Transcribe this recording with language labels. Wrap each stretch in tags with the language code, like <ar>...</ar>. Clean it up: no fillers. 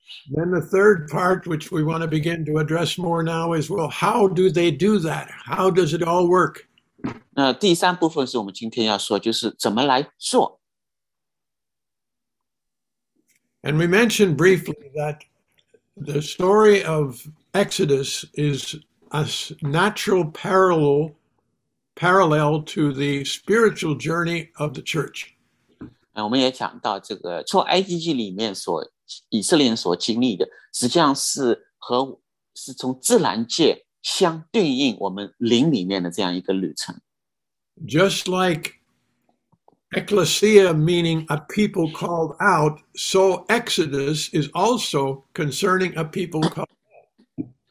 <en>Then the third part, which we want to begin to address more now, is, well, how do they do that? How does it all work?</en> <zh>那第三部分是我们今天要说,就是怎么来做。</zh> <en>And we mentioned briefly that the story of Exodus is a natural parallel to the spiritual journey of the church.</en> <zh>我们也讲到这个,从埃及记里面所,以色列人所经历的,实际上是从自然界相对应我们灵里面的这样一个旅程。</zh> <en>Just like ecclesia meaning a people called out, so Exodus is also concerning a people called out.</en>